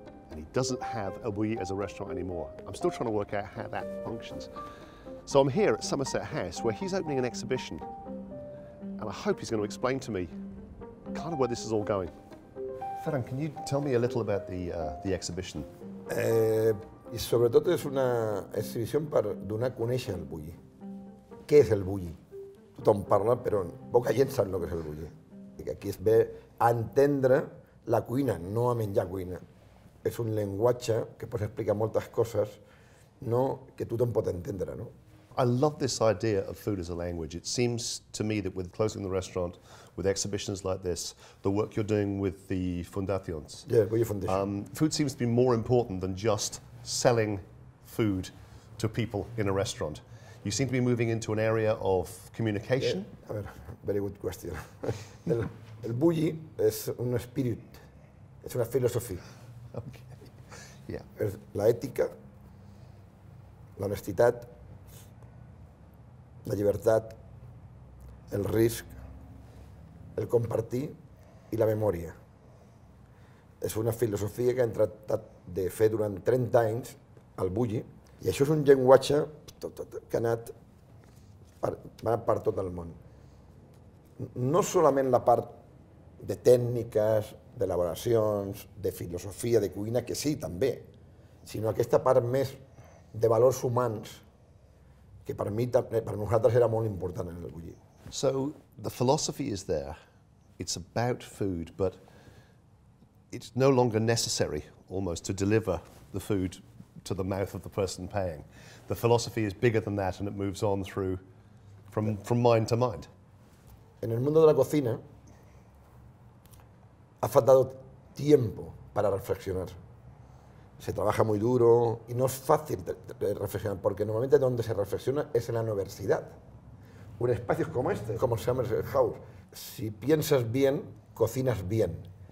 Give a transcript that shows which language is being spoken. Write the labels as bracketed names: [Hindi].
[English] And he doesn't have ElBulli as a restaurant anymore. I'm still trying to work out how that functions. So I'm here at Somerset House where he's opening an exhibition. And I hope he's going to explain to me kind of where this is all going. Ferran, can you tell me a little about the exhibition? [Catalan] I sobretot és una exhibición per donar a conèixer ElBulli. Què és ElBulli? Tothom parla, però poca gent sap lo que és ElBulli. Aquí es ve a entendre la cuina, no a menjar cuina. És un llenguatge que pots explicar moltes coses, no que tothom pot entendre, no? [English] I love this idea of food as a language. It seems to me that with closing the restaurant, with exhibitions like this, the work you're doing with the fundations, food seems to be more important than just selling food to people in a restaurant. You seem to be moving into an area of communication. [Spanish] A ver, [English] very good question. [Spanish] ElBulli es un spirit, es una philosophy. [English] Okay. Yeah. [Spanish] Es la ética, la honestidad, la libertad, el risk, el compartir y la memoria. Es una filosofía [Catalan] que han tratat de fer durant 30 anys ElBulli i això és un llenguatge que ha anat per tot el món. No solament la part de tècniques, d'elaboracions, de filosofia, de cuina, que sí, també, sinó aquesta part més de valors humans que per nosaltres era molt important en ElBulli. [English] So, the philosophy is there. It's about food, but it's no longer necessary, almost, to deliver the food to the mouth of the person paying. The philosophy is bigger than that, and it moves on through from mind to mind. [Spanish] En el mundo de la cocina, ha faltado tiempo para reflexionar. Se trabaja muy duro y no es fácil reflexionar, porque normalmente donde se reflexiona es en la universidad. Un espacio como este, como Somerset House, si piensas bien, cocinas bien.